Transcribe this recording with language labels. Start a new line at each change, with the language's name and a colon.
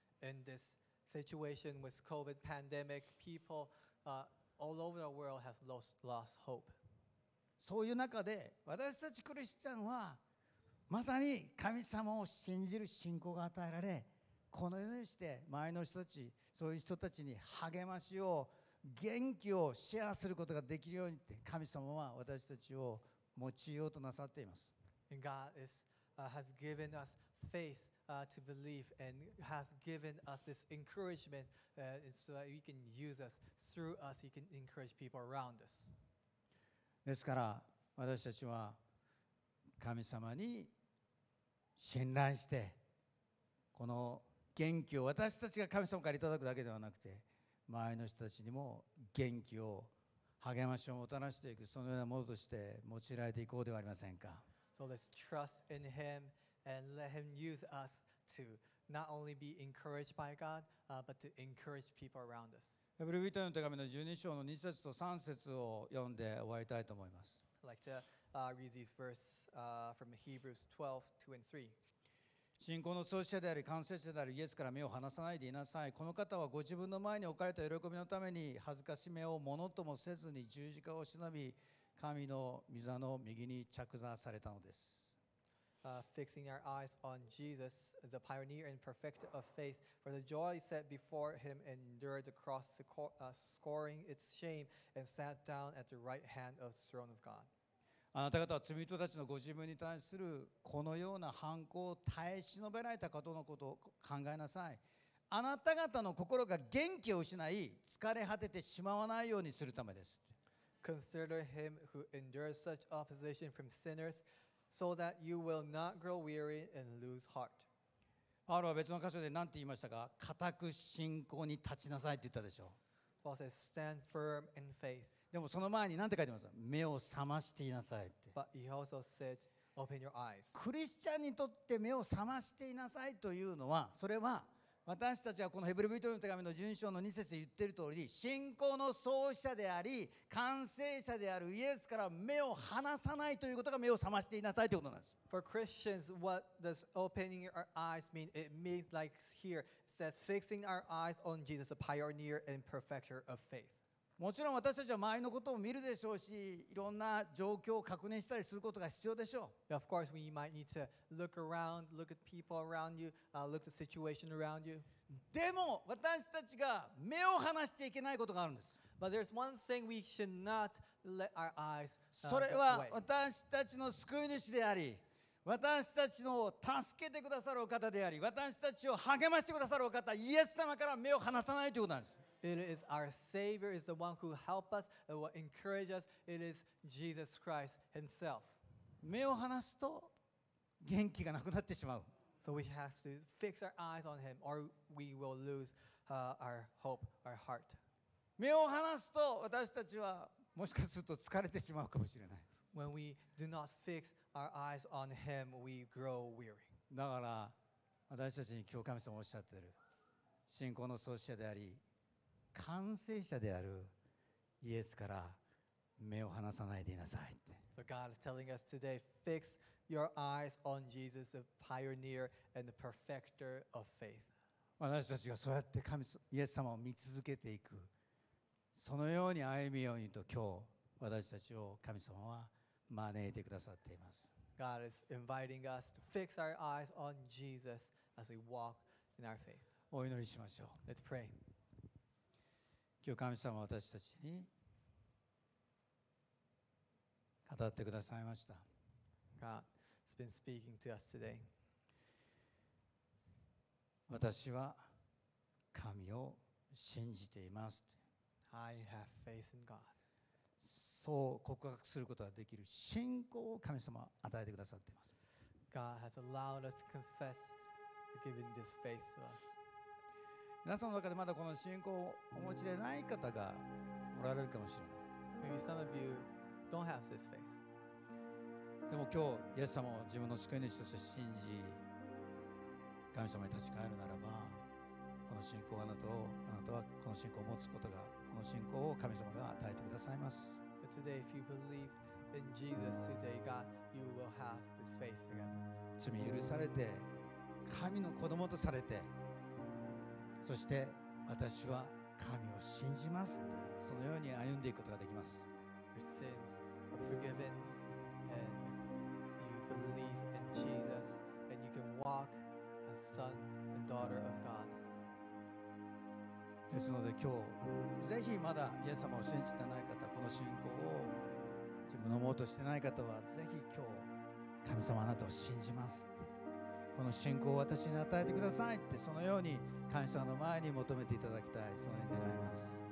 English: In this situation with COVID pandemic, peopleall over the world has lost hope.
Japanese: そういう中で私たちクリスチャンはまさに神様を信じる信仰が与えられ、このようにして周りの人たち、そういう人たちに励ましを、元気をシェアすることができるようにって神様は私たちを用いようとなさっています。
English: God is, has given us faithto believe and has given us this encouragement so that he can use us, through us, he can encourage people around us.
Japanese: ですから私たちは神様に信頼してこの元気を私たちが神様からいただくだけではなくて周りの人たちにも元気を励ましをもたらしていくそのようなものとして用いられていこうではありませんか。
English: So let's trust in him and let him use us to not only be encouraged by God, but to encourage people around us.
Japanese: ヘブル人への手紙の12章の2節と3節を読んで終わりたいと思います。
English: I'd like to read these verses from Hebrews 12:2-3.
Japanese: 信仰の創始者であり完成者であるイエスから目を離さないでいなさい。この方はご自分の前に置かれた喜びのために恥ずかしめをものともせずに十字架を忍び神の御座の右に着座されたのです。
English: Fixing our eyes on Jesus, the pioneer and perfecter of faith, for the joy set before him and endured the cross, scorning its shame, and sat down at the right hand of the throne of God.
Japanese: あなた方は罪人たちのご自分に対するこのような反抗を耐え忍べられたかどうのことを考えなさい。あなた方の心が元気を失い、疲れ果ててしまわないようにするためです。
English: Consider him who endured such opposition from sinners. So that you will not grow weary and lose heart.
Japanese: パウロは別の箇所で何て言いましたか。固く信仰に立ちなさいって言ったでしょう。
English: Paul says, stand firm in faith.
Japanese: でもその前に何て書いてますか。目を覚ましていなさいって。
English: But he also said, open your eyes.
Japanese: クリスチャンにとって目を覚ましていなさいというのは、それは私たちはこのヘブル人への手紙の12章の2節で言っている通り、信仰の創始者であり完成者であるイエスから目を離さないということが目を覚ましていなさいということなんです。
English: For Christians, what does opening our eyes mean? It means like here, it says fixing our eyes on Jesus, a pioneer and perfecter of faith.
Japanese: もちろん私たちは周りのことを見るでしょうし、いろんな状況を確認したりすることが必要でしょう。
English: Of course, we might need to look around, look at people around you, look at the situation around you.
Japanese: でも私たちが目を離していけないことがあるんです。
English: But there's one thing we should not let our eyes get away.
Japanese: それは私たちの救い主であり、私たちの助けてくださるお方であり、私たちを励ましてくださるお方、イエス様から目を離さないということなんです。
English: It is our Savior, is the one who helps us, and will encourage us. It is Jesus Christ Himself.
Japanese: 目を離すと元気がなくなってしまう。
English: So we have to fix our eyes on Him, or we will lose our hope, our heart.
Japanese: 目を離すと私たちはもしかすると疲れてしまうかもしれない。
English: When we do not fix our eyes on Him, we grow weary.
Japanese: だから私たちに今日神様おっしゃってる信仰の創始者であり。完成者であるイエスから目を離さないでいなさいって。
English: So God is telling us today, fix your eyes on Jesus, the pioneer and the perfecter of faith.
Japanese: 私たちがそうやって神イエス様を見続けていく、そのように歩むようにと今日私たちを神様は招いてくださっています。
English: God is inviting us to fix our eyes on Jesus as we walk in our faith.
Japanese: お祈りしましょう。
English: Let's pray.
Japanese: 今日神様は私たちに語ってくださいました。
English: God has been speaking to us today.
Japanese: 私は神を信じています。
English: I have faith in God.
Japanese: そう告白することができる信仰を神様は与えてくださっています。
English: God has allowed us to confess giving this faith to us.
Japanese: 皆さんの中でまだこの信仰をお持ちでない方がおられるかもしれない。
English: Maybe some of you don't have this faith.
Japanese: でも今日イエス様を自分の救い主として信じ神様に立ち返るならば、この信仰をあなたはこの信仰を持つことが、この信仰を神様が与えてくださいます。
English: Today if you believe in Jesus today, God, you will have this faith together.
Japanese: 罪許されて神の子供とされて、そして私は神を信じますって、そのように歩んでいくことができます。
English: Your sins are forgiven and you believe in Jesus and you can walk as son and daughter of God.
Japanese: ですので今日ぜひまだイエス様を信じてない方、この信仰を自分のものとしてない方は、ぜひ今日神様あなたを信じますって、この信仰を私に与えてくださいって、そのように感謝の前に求めていただきたい、そのように願います。